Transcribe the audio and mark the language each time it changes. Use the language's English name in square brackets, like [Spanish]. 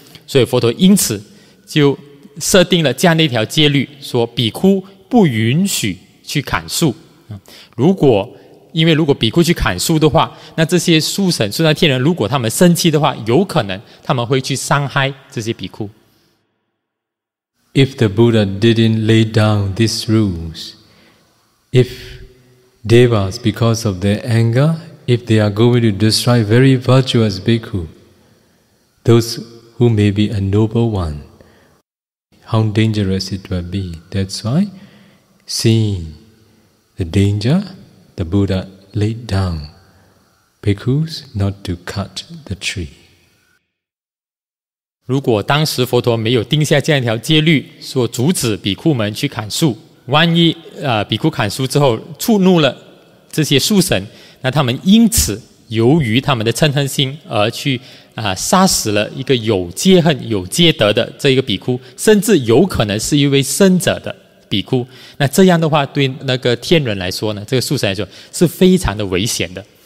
[Chinese] 所以佛陀因此就设定了这样的一条戒律，说比库不允许去砍树。如果比库去砍树的话，那这些树神、树上天人，如果他们生气的话，有可能他们会去伤害这些比库。 [English] If the Buddha didn't lay down these rules, if devas, because of their anger, if they are going to destroy very virtuous bhikkhu, those who may be a noble one, how dangerous it will be. That's why, seeing the danger, the Buddha laid down bhikkhus not to cut the tree. [Chinese] 如果当时佛陀没有定下这样一条戒律，说阻止比库们去砍树，万一比库砍树之后触怒了这些树神，那他们因此由于他们的嗔恨心而去杀死了一个有戒恨有戒德的这一个比库，甚至有可能是一位圣者的比库，那这样的话对那个天人来说呢，这个树神来说是非常的危险的。